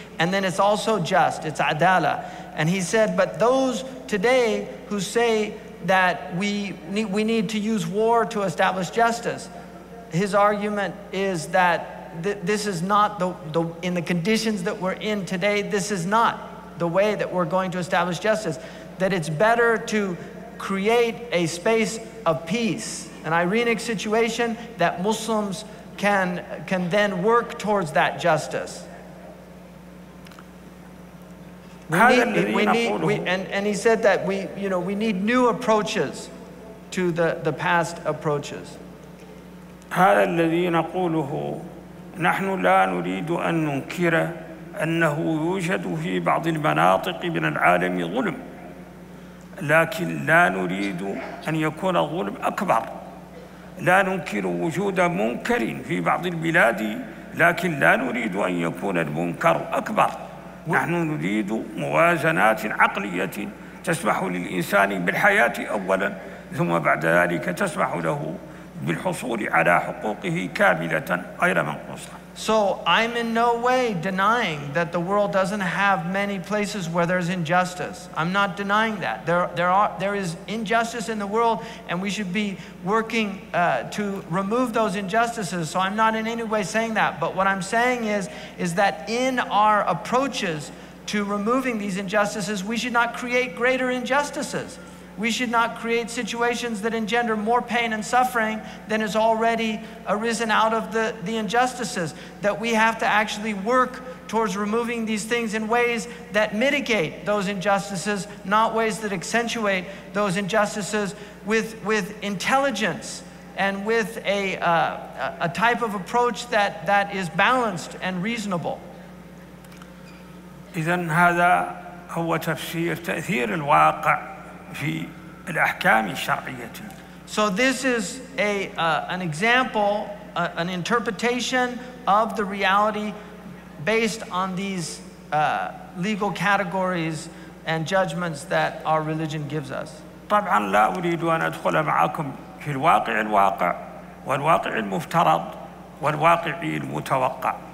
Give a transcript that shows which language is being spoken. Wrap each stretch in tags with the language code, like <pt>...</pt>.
<en>And then it's also just, it's adala. And he said, but those today who say that we need to use war to establish justice, his argument is that this is not the in the conditions that we're in today, this is not the way that we're going to establish justice, that it's better to create a space of peace, an Irenic situation that Muslims can then work towards that justice. And he said that we need new approaches to the past approaches.</en> <ar>هذا الذي نقوله نحن لا نريد أن ننكر أنه يوجد في بعض المناطق من العالم ظلم لكن لا نريد أن يكون الظلم أكبر لا ننكر وجود منكر في بعض البلاد لكن لا نريد أن يكون المنكر أكبر نحن نريد موازنات عقلية تسمح للإنسان بالحياة أولا ثم بعد ذلك تسمح له بالحصول على حقوقه كاملة غير منقوصة.</ar> <en>So I'm in no way denying that the world doesn't have many places where there's injustice. I'm not denying that. There is injustice in the world, and we should be working to remove those injustices. So I'm not in any way saying that. But what I'm saying is that in our approaches to removing these injustices, we should not create greater injustices. We should not create situations that engender more pain and suffering than has already arisen out of the injustices. That we have to actually work towards removing these things in ways that mitigate those injustices, not ways that accentuate those injustices with intelligence and with a type of approach that is balanced and reasonable.</en> <ar>إذن هذا هو تفسير تأثير الواقع في الأحكام الشرعية.</ar> <en>So this is an example, an interpretation of the reality based on these legal categories and judgments that our religion gives us.</en> <ar>طبعا لا أريد أن أدخل معكم في الواقع الواقع والواقع المفترض والواقع المتوقع.</ar>